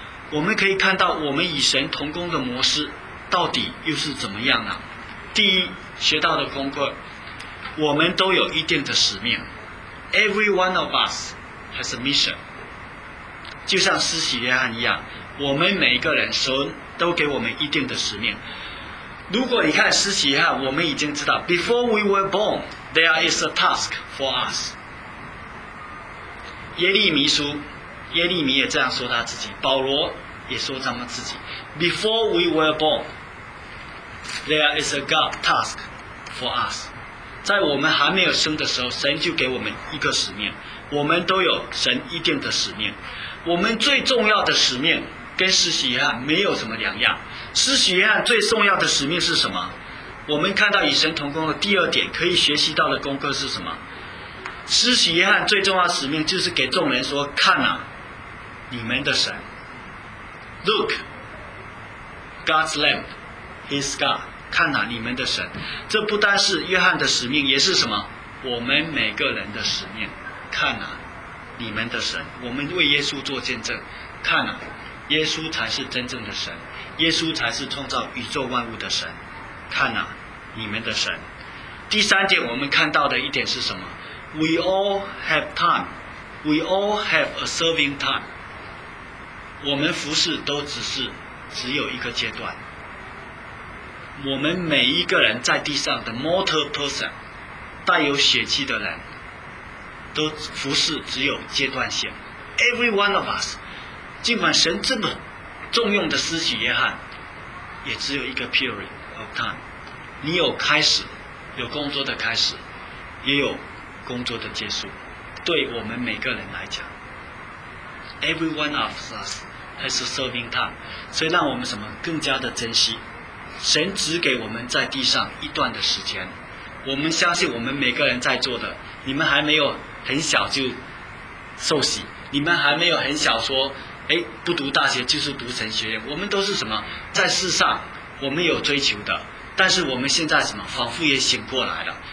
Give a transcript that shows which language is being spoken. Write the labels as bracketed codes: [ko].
[zh] 我们可以看到我们与神同工的模式到底又是怎么样呢？第一，学到的功课，我们都有一定的使命。 [en] Every one of us has a mission， [zh] 就像施洗约翰一样，我们每一个人神都给我们一定的使命。如果你看施洗约翰，我们已经知道 [en] Before we were born there is a task for us。 [zh] 耶利米也这样说他自己，保罗也说他们自己 [en] Before we were born there is a God task for us。 [zh] 在我们还没有生的时候，神就给我们一个使命，我们都有神一定的使命。我们最重要的使命跟施洗约翰没有什么两样。施洗约翰最重要的使命是什么？我们看到与神同工的第二点可以学习到的功课是什么？施洗约翰最重要的使命就是给众人说：看啊，你们的神。 [en] Look God's Lamb His God， [zh] 看啊，你们的神。这不单是约翰的使命，也是什么？我们每个人的使命。看啊，你们的神。我们为耶稣做见证，看啊，耶稣才是真正的神，耶稣才是创造宇宙万物的神。看啊，你们的神。第三点我们看到的一点是什么？ [en] We all have time， We all have a serving time。 [zh] 我们服事都只有一个阶段。我们每一个人在地上的 [en] mortal person， [zh] 带有血气的人，都服事只有阶段性。 [en] Every one of us， [zh] 尽管神这么重用的施洗约翰，也只有一个 [en] period of time。 [zh] 你有开始，有工作的开始，也有工作的结束。对我们每个人来讲， [en] Every one of us has a serving time。 [zh] 所以让我们什么更加的珍惜，神只给我们在地上一段的时间。我们相信我们每个人在座的，你们还没有很小就受洗，你们还没有很小说哎，不读大学就是读神学院。我们都是什么，在世上我们有追求的，但是我们现在什么仿佛也醒过来了。